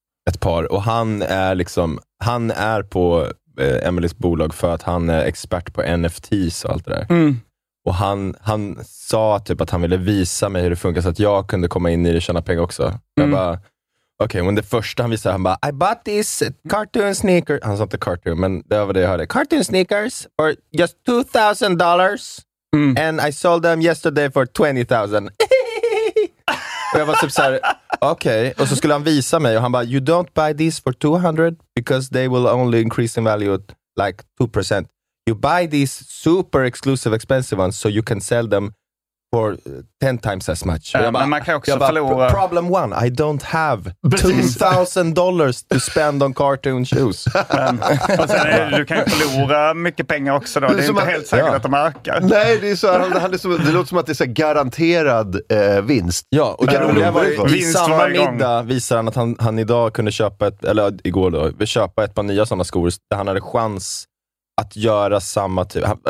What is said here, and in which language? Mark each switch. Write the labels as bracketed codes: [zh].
[sv] Ett par, och han är liksom, han är på Emilys bolag för att han är expert på NFTs och allt det där. Mm. Och han sa typ att han ville visa mig hur det funkar så att jag kunde komma in i det och tjäna pengar också. Mm. Jag bara, okej, men det första han visade, han bara, [en] I bought this cartoon sneaker. [sv] Han sa inte cartoon, men det var det jag hörde. [en] Cartoon sneakers for just $2,000 and I sold them yesterday for $20,000. [sv] Och jag var typ såhär, okej, okay. Och så skulle han visa mig och han bara, [en] you don't buy these for 200 because they will only increase in value like 2%. You buy these super exclusive expensive ones so you can sell them for 10 times as much. Problem one, I don't have $2,000 to spend on cartoon shoes. [sv] Och sen du kan förlora mycket pengar också då. Det är inte helt säkert att de ökar. Nej, det låter som att det är så garanterad vinst. Ja, och det roliga var ju, i samma middag visar han att han idag kunde köpa ett par nya sådana skor där han hade chans att göra samma typ.